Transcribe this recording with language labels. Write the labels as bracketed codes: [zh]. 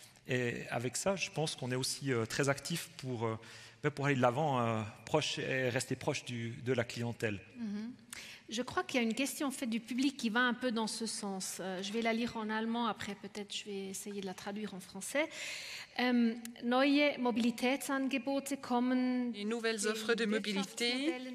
[fr] Et avec ça, je pense qu'on est aussi très actif pour aller de l'avant proche et rester proche de la clientèle. Je crois qu'il y a une question en fait du public qui va un peu dans ce sens. Je vais la lire en allemand, après peut-être je vais essayer de la traduire en français. [de] Neue Mobilitätsangebote kommen. [fr] Les nouvelles offres de mobilité